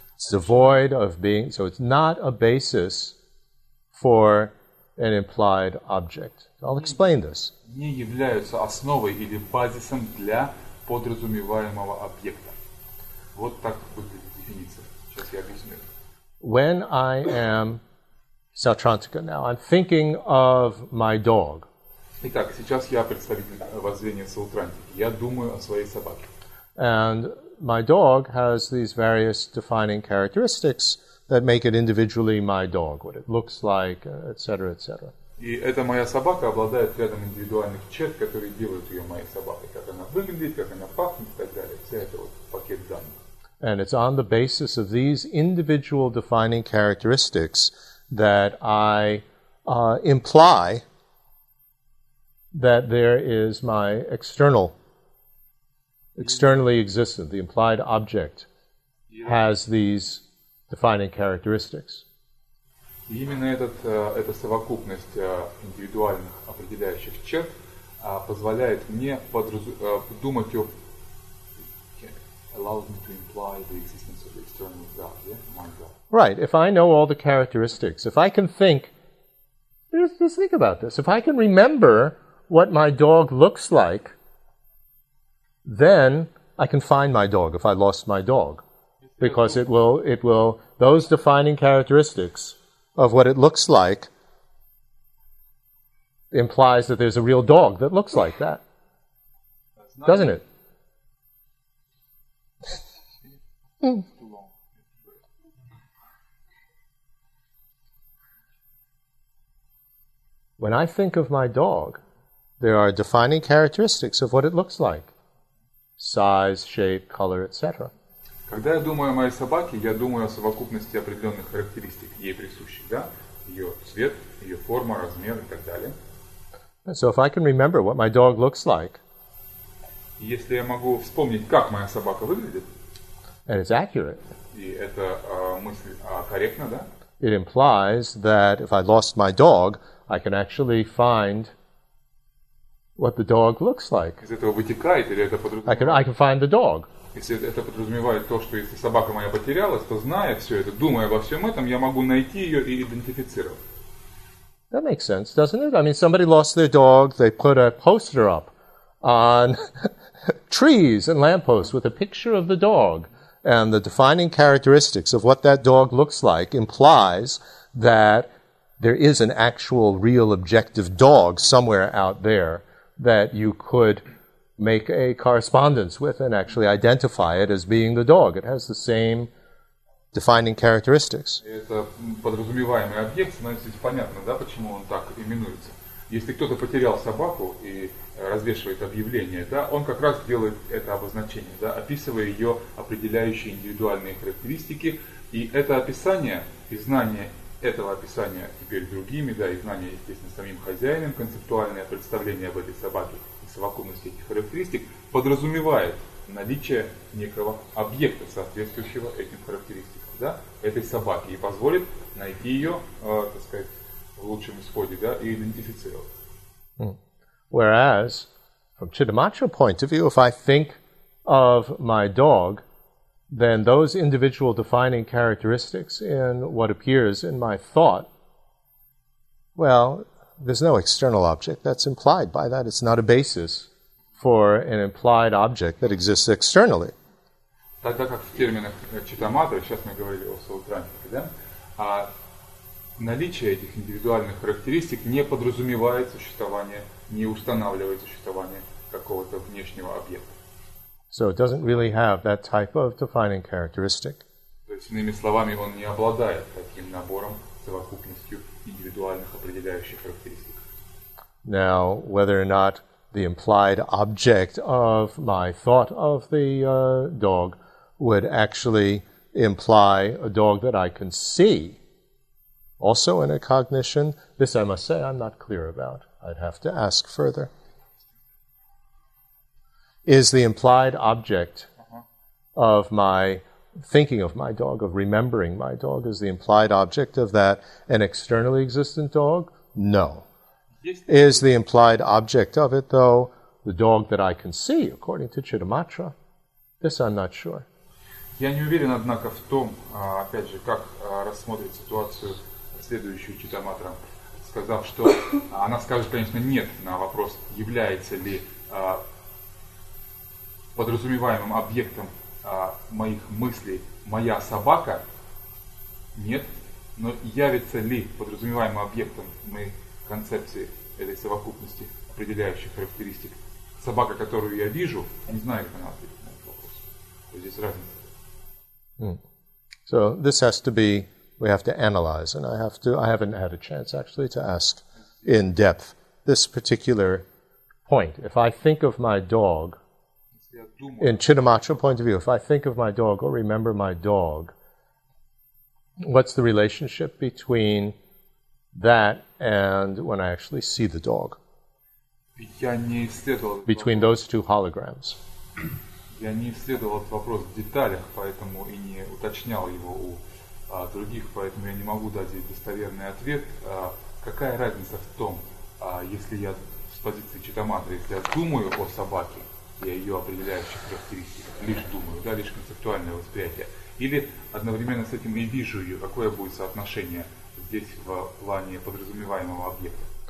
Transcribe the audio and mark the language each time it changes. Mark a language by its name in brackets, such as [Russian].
[English] It's devoid of being, so it's not a basis for an implied object. I'll explain this. [Russian] Не являются основой или базисом для подразумеваемого объекта. Вот так выглядит дефиниция. Сейчас я объясню. [English] When I am Sautrantika now. I'm thinking of my dog. [Russian] Итак, сейчас я представитель воззрения Саутрантики. Я думаю о своей собаке. [English] And my dog has these various defining characteristics that make it individually my dog, what it looks like, etc., etc. [Russian] И эта моя собака обладает рядом индивидуальных черт, которые делают ее моей собакой. Как она выглядит, как она пахнет и так далее. Вся эта вот пакет данных. [English] And it's on the basis of these individual defining characteristics that I imply that there is my externally existent, the implied object, has these defining characteristics. [Russian] Именно эта совокупность индивидуальных определяющих черт позволяет мне подумать о... [English] allows me to imply the existence of the external self, yeah? My God. Right, if I know all the characteristics, if I can think, just think about this, if I can remember what my dog looks like, then I can find my dog if I lost my dog, because it will, those defining characteristics of what it looks like implies that there's a real dog that looks like that, doesn't it? When I think of my dog, there are defining characteristics of what it looks like. Size, shape, color, etc. [Russian] Когда я думаю о моей собаке, я думаю о совокупности определенных характеристик, ей присущих, да? Ее цвет, ее форма, размер и так далее. [English] So if I can remember what my dog looks like, [Russian] если я могу вспомнить, как моя собака выглядит, [English] and it's accurate, [Russian] и это мысль корректна, да? [English] It implies that if I lost my dog, I can actually find what the dog looks like. [Russian] Из этого вытекает или это подразумевает? [English] I can find the dog. [Russian] Если это подразумевает то, что если собака моя потерялась, то зная все это, думая обо всем этом, я могу найти ее и идентифицировать. [English] That makes sense, doesn't it? I mean, somebody lost their dog, they put a poster up on trees and lampposts with a picture of the dog. And the defining characteristics of what that dog looks like implies that there is an actual, real, objective dog somewhere out there that you could make a correspondence with and actually identify it as being the dog. It has the same defining characteristics. [Russian] Это подразумеваемый объект, значит, понятно, да, почему он так именуется. Если кто-то потерял собаку и развешивает объявление, да, он как раз делает это обозначение, да, описывая ее определяющие индивидуальные характеристики. И это описание, и знание этого описания теперь другими, да, и знание, естественно, самим хозяином, концептуальное представление об этой собаке и совокупности этих характеристик подразумевает наличие некого объекта, соответствующего этим характеристикам, да, этой собаки, и позволит найти ее, так сказать, в лучшем исходе, да, и идентифицировать. [English] Whereas, from Chittimacha's point of view, if I think of my dog, then those individual defining characteristics in what appears in my thought, well, there's no external object that's implied by that. It's not a basis for an implied object that exists externally. [Russian] Тогда как в терминах Читамата, сейчас мы говорили о Саутрантике, да, наличие этих индивидуальных характеристик не подразумевает существование, не устанавливает существование какого-то внешнего объекта. [English] So it doesn't really have that type of defining characteristic. [Russian] То есть, иными словами, он не обладает таким набором, совокупностью индивидуальных определяющих характеристик. [English] Now, whether or not the implied object of my thought of the dog would actually imply a dog that I can see, also in a cognition, this I must say I'm not clear about. I'd have to ask further. Is the implied object of my thinking of my dog, of remembering my dog, is the implied object of that an externally existent dog? No. Is the implied object of it, though, the dog that I can see, according to Chittimacha? This I'm not sure. [Russian] Я не уверен, однако, в том, опять же, как рассмотреть ситуацию, следующую Читаматра, сказав, что она скажет, конечно, нет на вопрос, является ли подразумеваемым объектом моих мыслей моя собака, нет, но явится ли подразумеваемым объектом моей концепции этой совокупности определяющих характеристик собака, которую я вижу, я не знаю, как она ответит на этот вопрос. То есть здесь разница. [English] So this has to be, we have to analyze, and I haven't had a chance actually to ask in depth this particular point. If I think of my dog, in Chittimacha point of view, if I think of my dog or remember my dog, what's the relationship between that and when I actually see the dog? Between those two holograms. [Russian] Я не исследовал этот вопрос в деталях, поэтому и не уточнял его у других, поэтому я не могу дать ей достоверный ответ. Какая разница в том, если я с позиции читаматра, если я думаю о собаке и о ее определяющих характеристиках, лишь думаю, да, лишь концептуальное восприятие, или одновременно с этим и вижу ее, какое будет соотношение здесь в плане подразумеваемого объекта?